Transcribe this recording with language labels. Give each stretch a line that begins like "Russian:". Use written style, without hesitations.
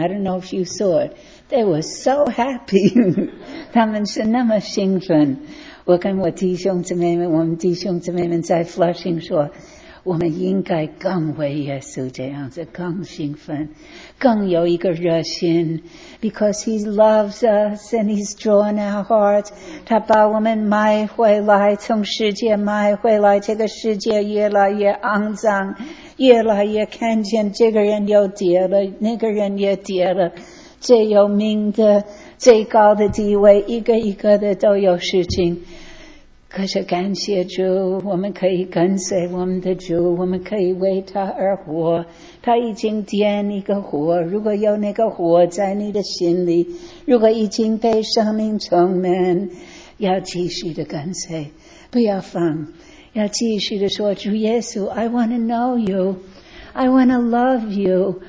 English: I don't know if you saw it. They were so happy.
Chinese: 他们是那么兴奋。我跟我弟兄姊妹们，我们弟兄姊妹们在 Flushing 说，我们应该更为耶稣这样子，更兴奋，更有一个热心。
English: Because he loves us and he's drawn our hearts.
Chinese: 他把我们买回来，从世界买回来，这个世界越来越肮脏，越来越看见这个人又跌了，那个人也跌了。最有名的最高的地位一个一个的都有事情，可是感谢主，我们可以跟随我们的主，我们可以为他而活，他已经点一个火，如果有那个火在你的心里，如果已经被生命充满，要继续的跟随，不要放，要继续的说，主耶稣，
English: I want to know youI want to love you.